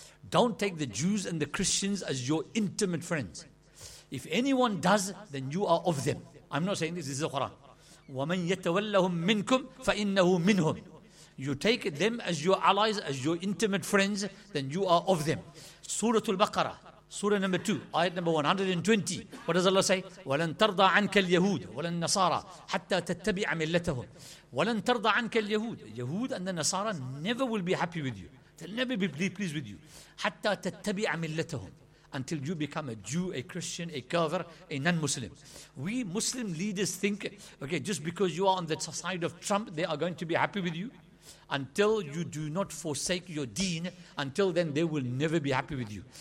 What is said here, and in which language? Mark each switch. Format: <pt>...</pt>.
<en>Don't take the Jews and the Christians as your intimate friends. If anyone does, then you are of them. I'm not saying this is the Quran.</en> <ar>وَمَنْ يَتَوَلَّهُمْ مِنْكُمْ فَإِنَّهُ مِنْهُمْ.</ar> <en>You take them as your allies, as your intimate friends, then you are of them. Surah Al-Baqarah, Surah number 2, ayat number 120. What does Allah say?</en> <ar>وَلَنْ تَرْضَى عَنْكَ الْيَهُودُ وَلَنْ نَصَارَى حَتَّى تَتَّبِعَ مِلَّتَهُمْ وَلَنْ تَرْضَى عَنْكَ الْيَهُودُ</ar> <en>Yahud and the Nasara never will be happy with you. They'll never be pleased with you.</en> <ar>حَتَّى تَتَّبِعَ مِلَّتَهُمْ</ar> <en>Until you become a Jew, a Christian, a kafir, a non-Muslim. We Muslim leaders think, okay, just because you are on the side of Trump, they are going to be happy with you. Until you do not forsake your deen, until then they will never be happy with you.</en>